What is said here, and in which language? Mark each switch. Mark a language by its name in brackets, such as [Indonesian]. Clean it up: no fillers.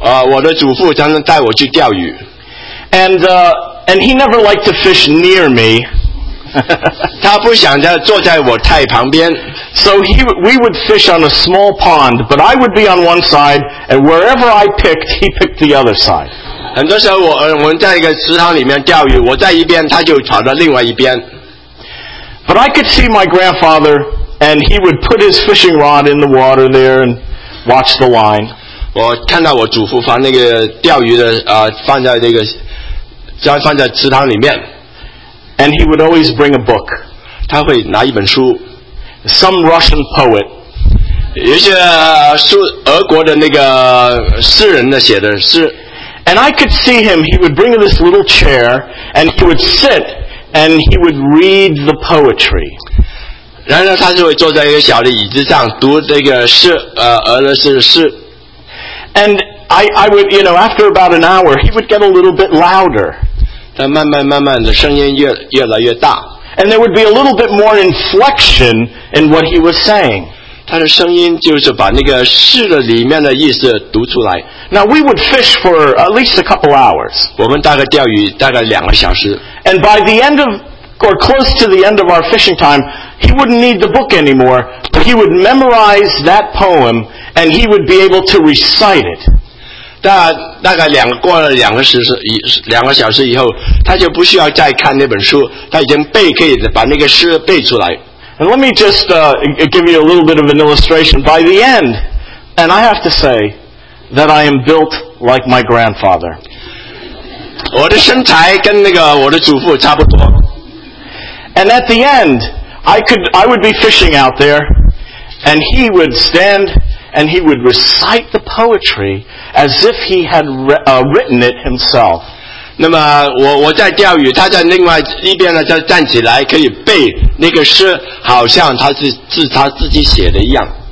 [Chinese] 我的祖父常常带我去钓鱼。 [English] And he never liked to fish near me. [Chinese] 他不想在坐在我太旁边。 [English] So we would fish on a small pond, but I would be on one side, and wherever I picked, he picked the other side. [Chinese] 很多时候我们在一个池塘里面钓鱼，我在一边，他就跑到另外一边。 [English] But I could see my grandfather, and he would put his fishing rod in the water there and watch the line. [Chinese] 我看到我祖父放那个钓鱼的放在那个将放在池塘里面。 [English] And he would always bring a book. [Chinese] 他会拿一本书。 [English] Some Russian poet. [Chinese] 有些书俄国的那个诗人的写的诗。 [English] And I could see him, he would bring this little chair, and he would sit, and he would read the poetry. [Chinese] 然后他就会坐在一个小的椅子上读这个诗俄罗斯的诗。 [English] And I would, you know, after about an hour, he would get a little bit louder. [Chinese] 但慢慢慢慢的声音越来越大。 [English] And there would be a little bit more inflection in what he was saying. [Chinese] 他的声音就是把那个诗的里面的意思读出来。 [English] Now we would fish for at least a couple hours. [Chinese] 我们大概钓鱼大概两个小时。 [English] And by the end of, or close to the end of our fishing time, he wouldn't need the book anymore, but he would memorize that poem, and he would be able to recite it. [Chinese] 大概两个小时以后，他就不需要再看那本书，他已经可以把那个诗背出来。 [English] And let me just give you a little bit of an illustration. By the end, and I have to say that I am built like my grandfather. [Chinese] 我的身材跟那个我的祖父差不多。 [English] And at the end, I would be fishing out there, and he would stand and he would recite the poetry as if he had written it himself. [Chinese] 那么我在钓鱼，他在另外一边呢，就站起来可以背那个诗，好像是他自己写的一样。